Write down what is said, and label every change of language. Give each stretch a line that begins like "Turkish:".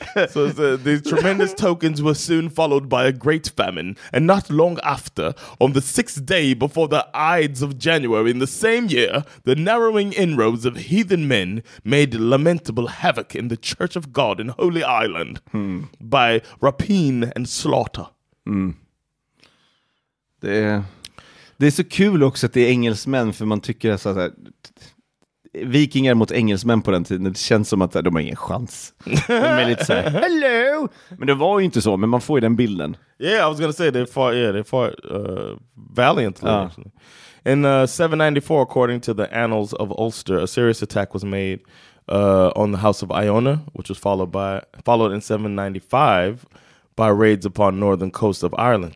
English: So these tremendous tokens were soon followed by a great famine, and not long after, on the sixth day before the Ides of January in the same year, the narrowing inroads of heathen men made lamentable havoc in the Church of God in Holy Island by rapine and slaughter.
Swedish: Det är så kul också att det är engelsmän, för man tycker så här, vikingar mot engelsmän på den tiden, det känns som att de har ingen chans. De är lite så här, hello! Men det var ju inte så, men man får ju den bilden.
English: Yeah, I was gonna say, they fought valiantly. Ah. Actually. In 794, according to the Annals of Ulster, a serious attack was made on the House of Iona, which was followed in 795 by raids upon northern coast of Ireland.